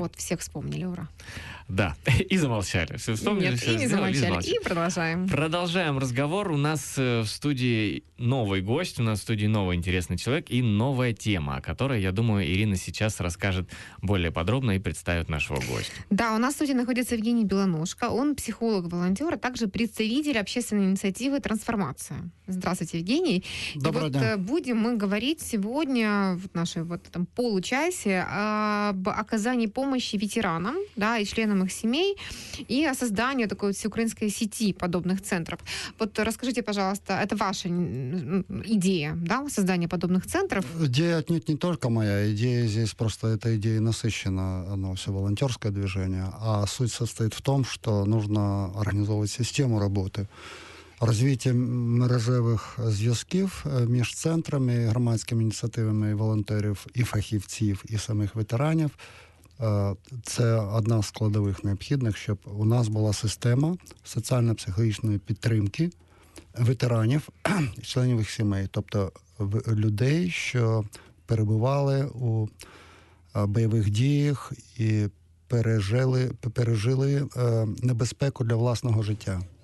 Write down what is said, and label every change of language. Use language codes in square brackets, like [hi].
[ru] Вот, всіх вспомнили, ура. [uk] Да, і замовчали. Все вспомнили, [ru] нет, все [uk] і не замовчали, і продовжуємо. Продовжуємо розговор. У нас в студії новий гость, у нас в студії новий інтересний чоловік і нова тема, [ru] о которой, я думаю, [uk] Ірина сейчас розкаже більш подробно і представить нашого гостя. [ru] Да, у нас в студии находится Евгений Белоножко. Он психолог-волонтер, а также представитель общественной инициативы «Трансформация». Здравствуйте, Евгений. Добрый день. И вот будем мы говорить сегодня в нашей вот этом получасе об оказании помощи ветеранам, да, и членам их семей, и о создании такой вот всеукраинской сети подобных центров. Вот расскажите, пожалуйста, это ваша идея, да, создание подобных центров? Идея отнюдь не только моя. Идея здесь просто, эта идея насыщена, она все волонтерское движение. А суть состоит в том, что нужно организовывать систему работы. [uk] Развитие мережевых зв'язків між центрами, громадськими ініціативами волонтерів і фахівців, і самих ветеранів – це одна з складових необхідних, щоб у нас була система соціально-психологічної підтримки ветеранів, членів їх сімей, тобто людей, що перебували у бойових діях і пережили небезпеку для власного життя.